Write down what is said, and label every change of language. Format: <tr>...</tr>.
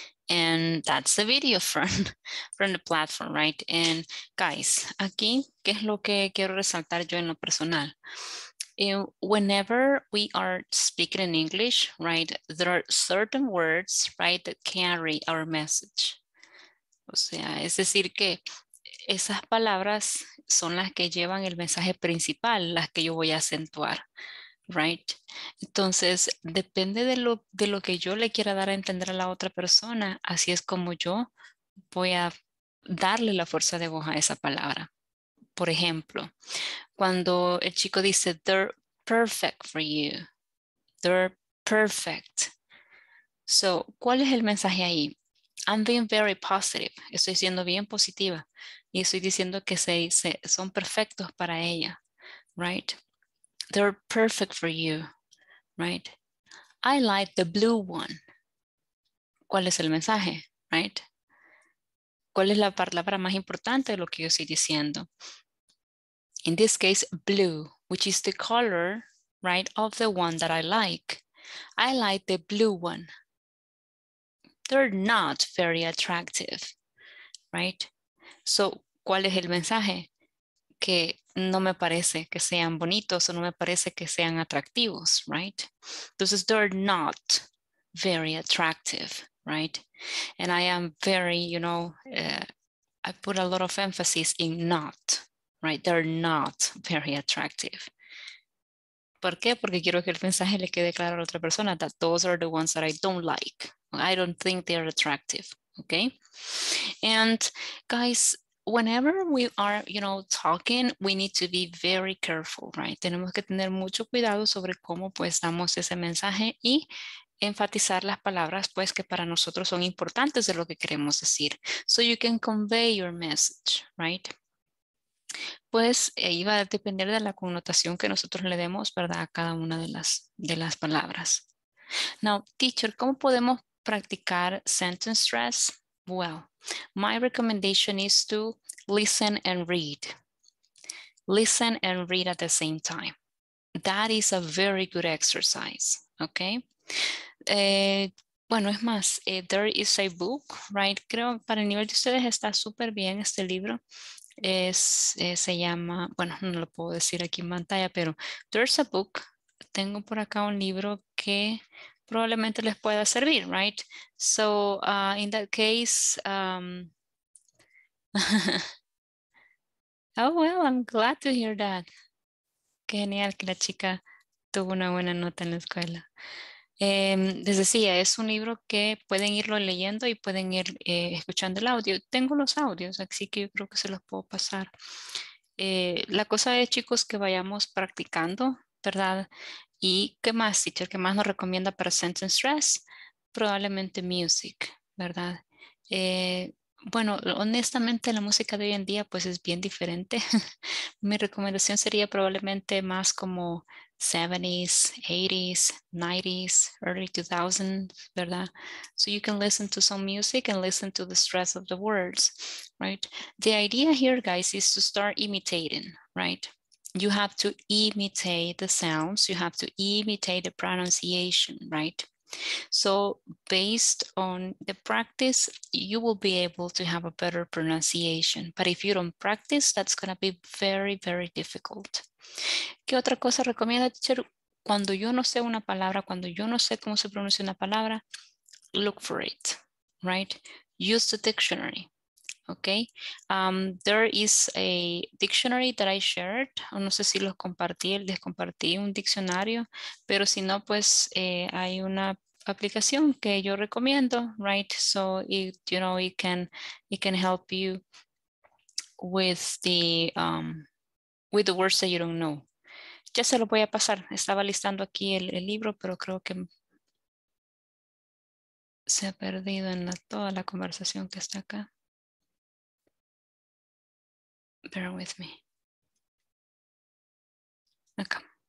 <en>And that's the video from the platform, right? And guys,</en> <es>aquí, ¿qué es lo que quiero resaltar yo en lo personal?</es> <en>Whenever we are speaking in English, right, there are certain words, right, that carry our message.</en> <es>O sea, es decir que esas palabras son las que llevan el mensaje principal, las que yo voy a acentuar. Right. Entonces, depende de lo que yo le quiera dar a entender a la otra persona, así es como yo voy a darle la fuerza de voz a esa palabra. Por ejemplo, cuando el chico dice,</es> <en>they're perfect for you. They're perfect. So,</en> <es>¿cuál es el mensaje ahí?</es> <en>I'm being very positive.</en> <es>Estoy siendo bien positiva. Y estoy diciendo que son perfectos para ella.</es> <en>Right. They're perfect for you, right? I like the blue one.</en> <es>¿Cuál es el mensaje,</es> <en>right?</en> <es>¿Cuál es la palabra más importante de lo que yo estoy diciendo?</es> <en>In this case, blue, which is the color, right, of the one that I like. I like the blue one. They're not very attractive, right?</en> <es>So, ¿cuál es el mensaje? Que no me parece que sean bonitos o no me parece que sean atractivos, right?</es> <en>Entonces, they're not very attractive, right? And I am very, you know, I put a lot of emphasis in not, right? They're not very attractive.</en> <es>¿Por qué? Porque quiero que el mensaje le quede claro a la otra persona</es> <en>that those are the ones that I don't like. I don't think they're attractive, okay? And guys, whenever we are, you know, talking, we need to be very careful, right?</en> <es>Tenemos que tener mucho cuidado sobre cómo pues damos ese mensaje y enfatizar las palabras pues que para nosotros son importantes de lo que queremos decir.</es> <en>So you can convey your message,</en> <es>right? Pues ahí va a depender de la connotación que nosotros le demos, ¿verdad? A cada una de las palabras. Now, teacher, ¿cómo podemos practicar sentence stress?</es> <en>Well, my recommendation is to listen and read. Listen and read at the same time. That is a very good exercise, okay?</en> <es>Bueno, es más,</es> <en>there is a book, right?</en> <es>Creo para el nivel de ustedes está súper bien este libro. Se llama, bueno, no lo puedo decir aquí en pantalla, pero</es> <en>there's a book.</en> <es>Tengo por acá un libro que probablemente les pueda servir, right?</es> <en>So, in that case, oh, well, I'm glad to hear that.</en> <es>Genial que la chica tuvo una buena nota en la escuela. Les decía, es un libro que pueden irlo leyendo y pueden ir escuchando el audio. Tengo los audios, así que yo creo que se los puedo pasar. La cosa es, chicos, que vayamos practicando, ¿verdad? ¿Y qué más, teacher? ¿Qué más nos recomienda para sentence stress? Probablemente music, ¿verdad? Bueno, honestamente la música de hoy en día pues es bien diferente. Mi recomendación sería probablemente más como 70s, 80s, 90s, early 2000s, ¿verdad?</es> <en>So you can listen to some music and listen to the stress of the words, right? The idea here, guys, is to start imitating, right? You have to imitate the sounds, you have to imitate the pronunciation, right? So based on the practice, you will be able to have a better pronunciation. But if you don't practice, that's going to be very, very difficult.</en> <es>¿Qué otra cosa recomienda, teacher? Cuando yo no sé una palabra, cuando yo no sé cómo se pronuncia una palabra,</es> <en>look for it,</en> <es>right?</es> <en>Use the dictionary. Okay, there is a dictionary that I shared.</en> <es>No sé si los compartí, les compartí un diccionario, pero si no, pues hay una aplicación que yo recomiendo, right?</es> <en>So it can help you with the words that you don't know.</en> <es>Ya se lo voy a pasar. Estaba listando aquí el libro, pero creo que se ha perdido en toda la conversación que está acá.</es> <en>Bear with me. Okay.</en>